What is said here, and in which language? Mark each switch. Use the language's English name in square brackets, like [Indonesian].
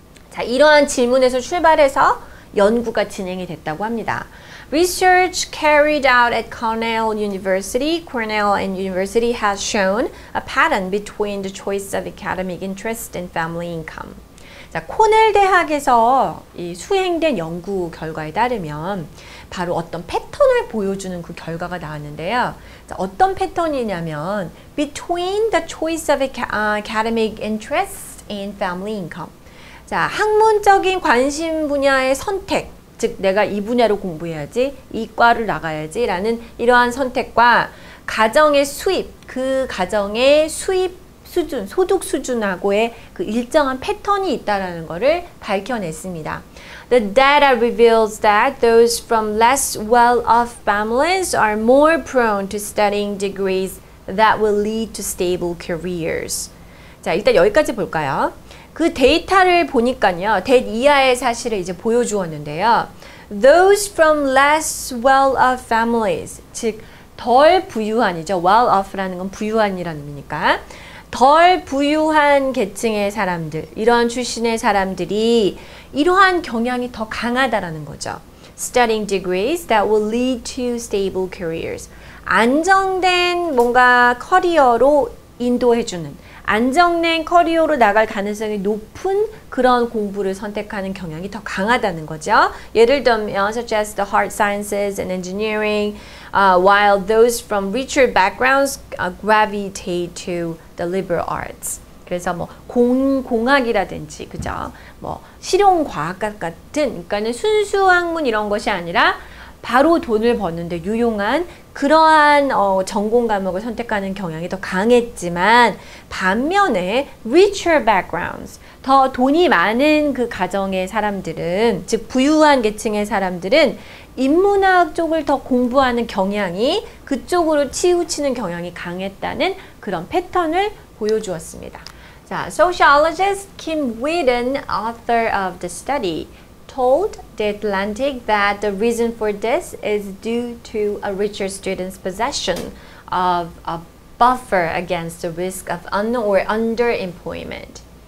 [Korean] 자, 이러한 질문에서 출발해서 연구가 진행이 됐다고 합니다. [English] Research carried out at Cornell University, University has shown a pattern between the choice of academic interest and family income. [Korean] 자, 코넬 대학에서 이 수행된 연구 결과에 따르면 바로 어떤 패턴을 보여주는 그 결과가 나왔는데요. 자, 어떤 패턴이냐면 [English] between the choice of academic interest and family income. [Korean] 자, 학문적인 관심 분야의 선택, 즉 내가 이 분야로 공부해야지, 이과를 나가야지 라는 이러한 선택과 가정의 수입, 그 가정의 수입 수준, 소득 수준하고의 그 일정한 패턴이 있다라는 것을 밝혀냈습니다. [English] The data reveals that those from less well-off families are more prone to studying degrees that will lead to stable careers. [Korean] 자, 일단 여기까지 볼까요? 그 데이터를 보니까요, 대 이하의 사실을 이제 보여주었는데요. [English] Those from less well-off families, [Korean] 즉 덜 부유한이죠. Well-off라는 건 부유한이라는 의미니까. 덜 부유한 계층의 사람들, 이러한 출신의 사람들이 이러한 경향이 더 강하다라는 거죠. [English] Studying degrees that will lead to stable careers. [Korean] 안정된 뭔가 커리어로 인도해주는, 안정된 커리어로 나갈 가능성이 높은 그런 공부를 선택하는 경향이 더 강하다는 거죠. 예를 들면 [English] such as the hard sciences and engineering, while those from richer backgrounds gravitate to the liberal arts. [Korean] 그래서 뭐 공학이라든지, 그죠? 뭐 실용 과학 같은, 그러니까는 순수 학문 이런 것이 아니라 바로 돈을 버는데 유용한 그러한 전공 과목을 선택하는 경향이 더 강했지만 반면에 [English] richer backgrounds, [Korean] 더 돈이 많은 그 가정의 사람들은, 즉 부유한 계층의 사람들은 인문학 쪽을 더 공부하는 경향이, 그쪽으로 치우치는 경향이 강했다는 그런 패턴을 보여주었습니다. [English] 자, sociologist Kim Whedon, author of the study, told The Atlantic that the reason for this is due to a richer student's possession of a buffer against the risk of underemployment.